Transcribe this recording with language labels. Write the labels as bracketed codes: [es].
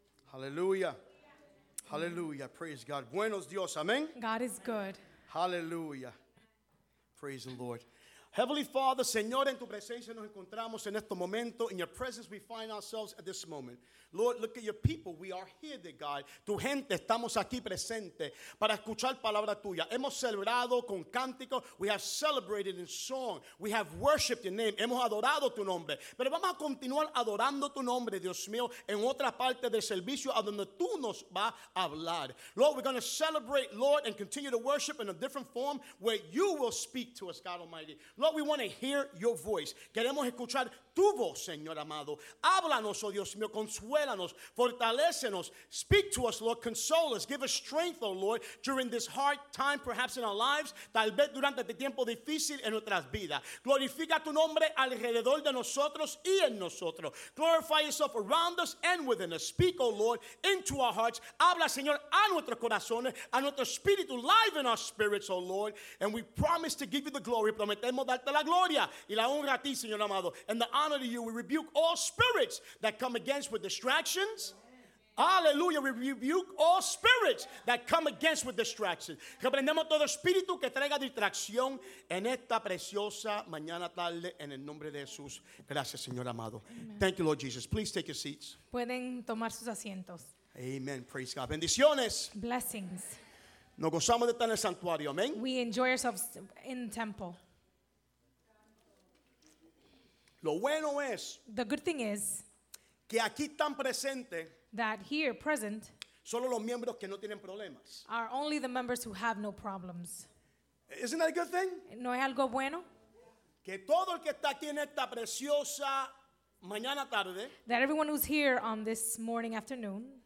[en] Hallelujah. Hallelujah. Praise God. [es] Buenos Dios. [en] Amen. God is good. Hallelujah. Praise the Lord. Heavenly Father, [es] Señor, en tu presencia nos encontramos en este momento. [en] In your presence, we find ourselves at this moment. Lord, look at your people. We are here, dear God. [es] Tu gente, estamos aquí presente para escuchar palabra tuya. Hemos celebrado con cántico. [en] We have celebrated in song. We have worshipped your name. [es] Hemos adorado tu nombre. Pero vamos a continuar adorando tu nombre, Dios mío, en otra parte del servicio a donde tú nos vas a hablar. [en] Lord, we're going to celebrate, Lord, and continue to worship in a different form where you will speak to us, God Almighty. Lord, we want to hear your voice. [es] Queremos escuchar tu voz, Señor amado. Háblanos, oh Dios mío, consuélanos, fortalécenos. [en] Speak to us, Lord, console us. Give us strength, oh Lord, during this hard time, perhaps in our lives, [es] tal vez durante este tiempo difícil en nuestras vidas. Glorifica tu nombre alrededor de nosotros y en nosotros. [en] Glorify yourself around us and within us. Speak, oh Lord, into our hearts. [es] Habla, Señor, a nuestros corazones, a nuestro espíritu, [en] live in our spirits, oh Lord. And we promise to give you the glory. [es] Prometemos darte la gloria y la honra a ti, Señor amado. [en] And the honor to you, we rebuke all spirits that come against with distractions. Hallelujah. We rebuke all spirits that come against with distractions. [es] Reprendemos todo espíritu que traiga distracción en esta preciosa mañana tarde en el nombre de Jesús. Gracias, Señor amado. [en] Amen. Thank you, Lord Jesus. Please take your seats. [es] Pueden tomar sus asientos. [en] Amen. Praise God. Bendiciones. Blessings. [es] Nos gozamos de estar en el santuario. Amen. [en] We enjoy ourselves in the temple. [es] Lo bueno es, [en] the good thing is, [es] que aquí están presente, [en] that here present, [es] solo los miembros que no tienen problemas, [en] are only the members who have no problems. Isn't that a good thing? [es] ¿No es algo bueno? Que todo el que está aquí en esta preciosa mañana tarde, [en] that everyone who's here on this morning afternoon,